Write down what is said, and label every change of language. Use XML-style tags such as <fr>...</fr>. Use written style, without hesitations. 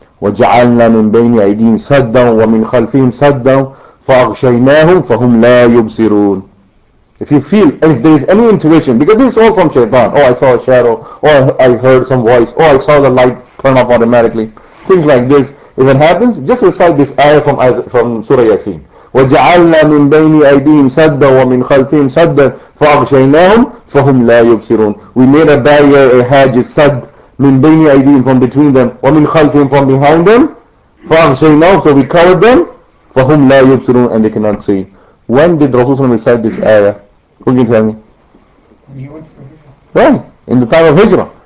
<ar>وَجَعَلْنَا مِنْ بَيْنِ أَيْدِيهِمْ سَدًّا وَمِنْ خَلْفِهِمْ سَدًّا فَأَغْشَيْنَاهُمْ فَهُمْ لَا يُبْصِرُونَ.</ar> <en>If you feel, if there is any intuition, because this is all from Shaitan, oh I saw a shadow, oh I heard some voice, oh I saw the light turn off automatically, things like this, if it happens, just recite this ayah from Surah Yasin.</en> <ar>وجعلنا من بين أيديهم سدا ومن خلفهم سدا فأغشيناهم فهم لا يبصرون.</ar> <en>We made a barrier, a hedge, a sad</en> <ar>من بين أيديهم,</ar> <en>from between them,</en> <ar>ومن خلفهم,</ar> <en>from behind them,</en> <ar>فأغشيناهم,</ar> <en>so we covered them,</en> <ar>فهم لا يبصرون,</ar> <en>and they cannot see. When did Rasulullah recite this ayah? Who can tell me? When? In the time of Hijrah.</en>